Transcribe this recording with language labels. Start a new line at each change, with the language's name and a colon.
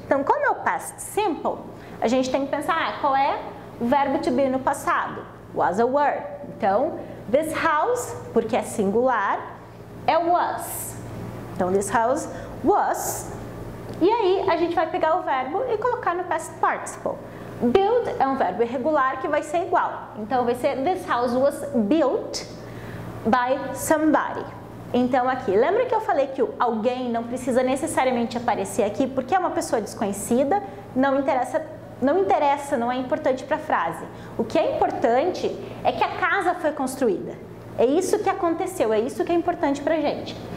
Portuguese: Então, como é o past simple, a gente tem que pensar, qual é o verbo to be no passado?
English: Was or were.
Portuguese: Então,
English: this house,
Portuguese: porque é singular, é was. Então,
English: this house was.
Portuguese: E aí, a gente vai pegar o verbo e colocar no past participle. Build é um verbo irregular que vai ser igual. Então, vai ser
English: this house was built by somebody.
Portuguese: Então, aqui, lembra que eu falei que o alguém não precisa necessariamente aparecer aqui porque é uma pessoa desconhecida? Não interessa, não é importante para a frase. O que é importante é que a casa foi construída. É isso que aconteceu, é isso que é importante para a gente.